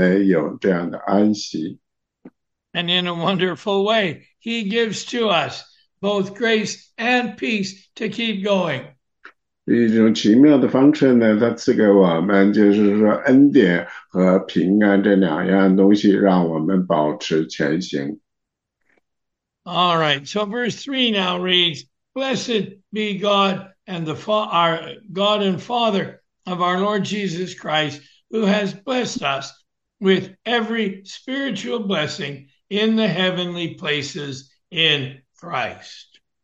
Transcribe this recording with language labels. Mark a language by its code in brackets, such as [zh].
[zh] 所以第二节说呢，你可以在主耶稣基督和我们神的，我们神和主耶稣基督的平安里呢，有这样的安息。 [en] And in a wonderful way, he gives to us both grace and peace to keep going. [zh] 一种奇妙的方式呢，他赐给我们，就是说恩典和平安这两样东西，让我们保持前行。 [en] All right, so verse 3 now reads, Blessed be God and the Fa our God and Father of our Lord Jesus Christ, who has blessed us with every spiritual blessing in the heavenly places in Christ.